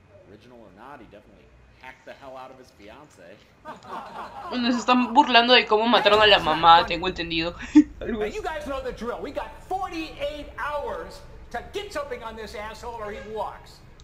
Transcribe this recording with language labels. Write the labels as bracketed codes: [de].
[en] Original or not, he definitely hacked the hell out of his fiance. [es] Bueno, se están burlando de cómo mataron a la mamá, tengo entendido. [en] Now you guys know the drill. We got 48 hours to get something on this asshole or he walks.